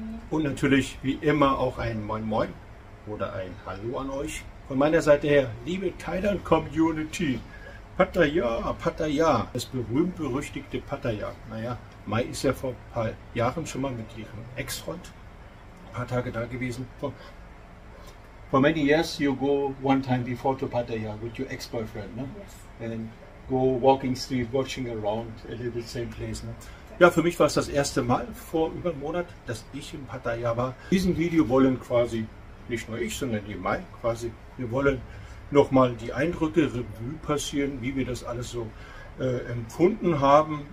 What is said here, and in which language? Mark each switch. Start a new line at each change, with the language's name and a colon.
German: Und natürlich wie immer auch ein Moin Moin oder ein Hallo an euch. Von meiner Seite her, liebe Thailand-Community, Pattaya, Pattaya, das berühmt-berüchtigte Pattaya. Naja, Mai ist ja vor ein paar Jahren schon mal mit ihrem Ex-Freund ein paar Tage da gewesen.
English: For many years you go one time before to Pattaya with your ex-boyfriend, ne? And go walking street, watching around a little same place, ne?
German: Ja, für mich war es das erste Mal vor über einem Monat, dass ich in Pattaya war. In diesem Video wollen quasi nicht nur ich, sondern die Mai quasi. Wir wollen nochmal die Eindrücke Revue passieren, wie wir das alles so empfunden haben.